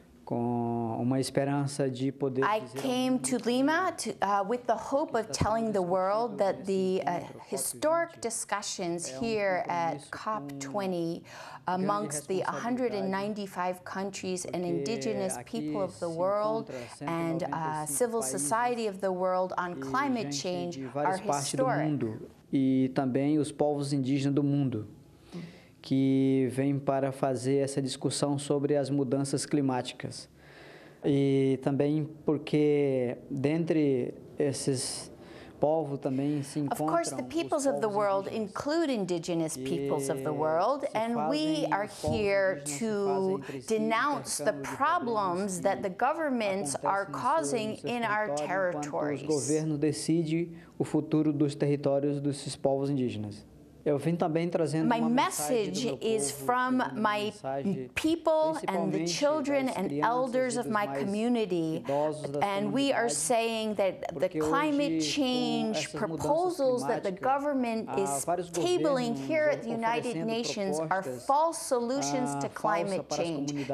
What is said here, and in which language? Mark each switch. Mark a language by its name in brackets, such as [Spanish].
[English] I came to Lima with the hope of telling the world that the historic discussions here at COP20 amongst the 195 countries and indigenous people of the world and civil society of the world on climate change are historic. [Portuguese] E também os povos indígenas do mundo. Que vem para fazer essa discussão sobre as mudanças climáticas. E também porque dentre esses povos também se encontram. [English] Of course, the peoples of the world include indigenous peoples of the world, and we are here to denounce the problems that the governments are causing in our territories. [Portuguese] O governo decide o futuro dos territórios desses povos indígenas. Eu vim também trazendo [English] my message is from my people and the children and elders of my community, and we are saying that the climate change proposals that the government is tabling here at the United Nations are false solutions to climate change.